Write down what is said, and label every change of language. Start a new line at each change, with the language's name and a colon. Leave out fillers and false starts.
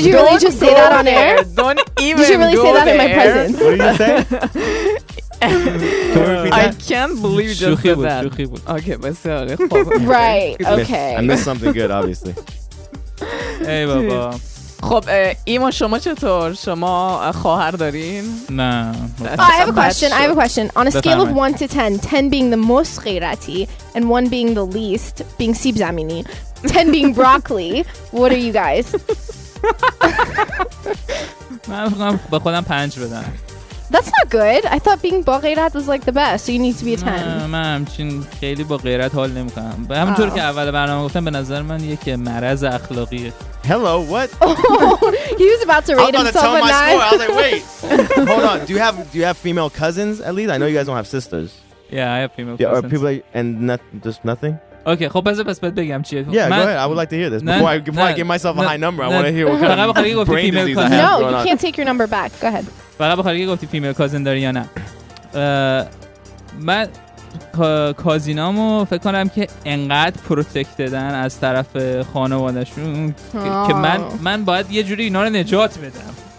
English: Did you really just say that on air? Don't even Did you really say that in my presence? What did you say? I can't believe you just said that.
Persian: شوخی بود. Okay, بس آره.
English: Right, okay. I missed something good, obviously. Hey, بابا.
Persian: خب ایما شما چطور؟ شما خواهر دارین؟ نه.
English: I have a question. On a scale of 1 to 10, 10 being the most غیرتی and 1 being the least, being سیب زمینی, 10 being broccoli, what are you guys? That's not good. I thought being با غیرت was like the best, so you need to be a 10.
Persian: من همچین خیلی با غیرت حال نمی کنم. به همونطور که اول برنامه گفتم به نظر من یک مرض اخلاقیه.
English: Hello, what? He was about to rate himself a 9. I was about to tell my score. I was like, wait. Hold on. Do you have female cousins at least? I know you guys don't have sisters. Yeah, I have female cousins. Are people like, and not, just nothing?
Persian: Okay, خب بذار بگم چیه.
English: Yeah, go ahead. I would like to hear this. Before I give myself a high number, I want to hear what kind of brain disease I have going on. No, you can't take your number back. Go ahead.
Persian: فقط بخواهی که گفتی female cousin داری یا نه. من کازینامو فکر کنم که انقدر پروتکتدن از طرف خانوادشون که من باید یه جوری اینا رو نجات بدم.